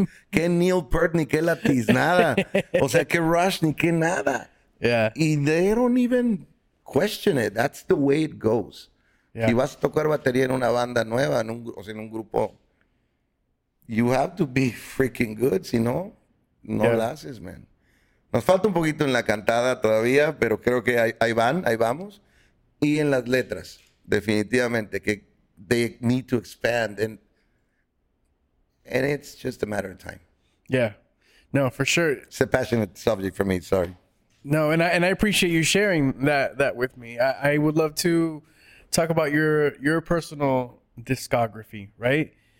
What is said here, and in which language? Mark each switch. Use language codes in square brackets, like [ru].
[es] Qué Neil Peart ni qué Latiz, nada. O sea, qué Rush ni qué nada. [en] Yeah. Y they don't even question it. That's the way it goes. Yeah. [es] Si vas a tocar batería en una banda nueva, en un grupo, you have to be freaking good. Si no, no la haces, man. Nos falta un poquito en la cantada todavía, pero creo que ahí vamos. [en] Y en las letras, definitivamente, que they need to expand, and it's just a matter of time. Yeah, no, for sure. It's a passionate subject for me. Sorry. No, and I appreciate you sharing that with me. I would love to talk about your personal discography, right?